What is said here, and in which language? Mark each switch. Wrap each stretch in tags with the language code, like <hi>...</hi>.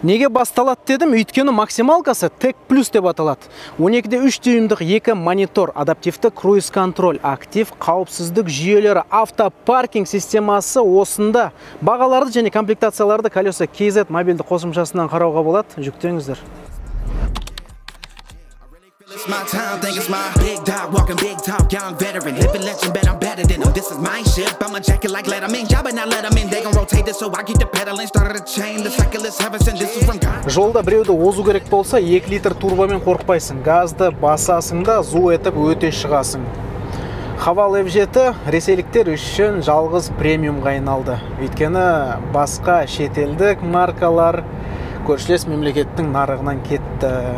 <kk>Неге басталады дедім? Өйткені максималкасы Tech Plus деп аталады. 12-де 3 дюймдық екі монитор, адаптивті круиз контроль, актив қауіпсіздік жүйелері, автопаркинг системасы осында. Бағаларды және комплектацияларды Колеса KZ мобильді қосымшасынан қарауға болады. Жүктеңіздер.</kk> <en>It's my time, think it's my big dog, walking big talk, young veteran, living legend, bet I'm better than them. This is my ship, I'ma jack it like Letterman, y'all but not Letterman. They gon' rotate this so I keep the pedaling, started a chain, the cycle is heaven sent, this is from God.</en> <kk>Жолда біреуді озу керек болса, 2 литр турбомен қорқпайсың, газды басасың да зу етіп өте шығасың. Havel F7 ресейліктер үшін жалғыз премиумға айналды. Өйткені басқа шетелдік маркалар көршілес мемлекеттің нарығынан кетті.</kk>